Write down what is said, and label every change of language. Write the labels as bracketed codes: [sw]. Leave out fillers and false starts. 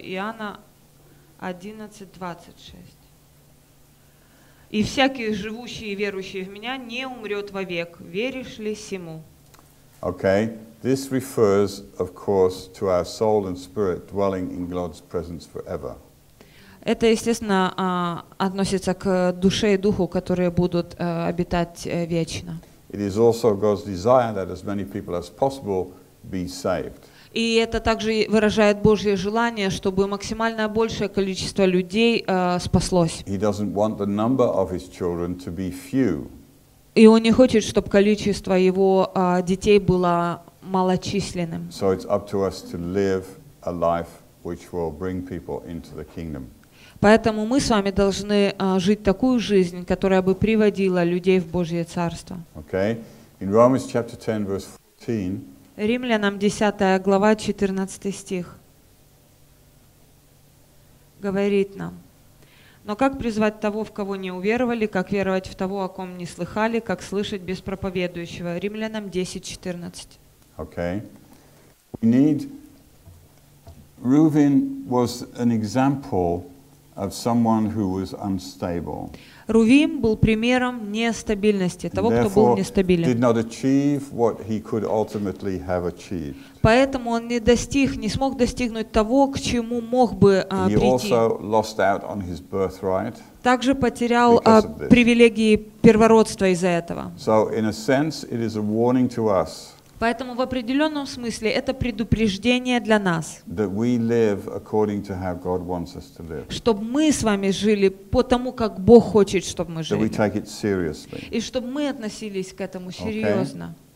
[ru] Иоанна 11:26. И всякий живущий и верующий в меня не умрет вовек. Веришь ли сему? [en] Okay. This refers, of course, to our soul and spirit dwelling in God's presence forever. [ru] Это, естественно, относится к душе и духу, которые будут обитать вечно. [en] It is also God's desire that as many people as possible be saved. [ru] И это также выражает Божье желание, чтобы максимально большее количество людей спаслось. [en] He doesn't want the number of his children to be few. [ru] И он не хочет, чтобы количество его детей было малочисленным. [en] So it's up to us to live a life which will bring people into the kingdom. [ru] Поэтому мы с вами должны жить такую жизнь, которая бы приводила людей в Божье царство. [en] Okay. In Romans chapter 10, verse 14. [ru] Римлянам 10 глава, 14 стих говорит нам: «Но как призвать того, в кого не уверовали, как веровать в того, о ком не слыхали, как слышать без проповедующего?» Римлянам 10:14. [en] Okay. We need... Reuven was an example of someone who was unstable. [ru] Рувим был примером нестабильности, того, кто был нестабилен. [en] Did not achieve what he could ultimately have achieved. [ru] Поэтому он не смог достигнуть того, к чему мог бы прийти. [en] He also lost out on his birthright. [ru] Также потерял привилегии первородства из-за этого. [en] So in a sense, it is a warning to us. [ru] Поэтому в определенном смысле это предупреждение для нас, чтобы мы с вами жили по тому, как Бог хочет, чтобы мы жили, и чтобы мы относились к этому серьезно.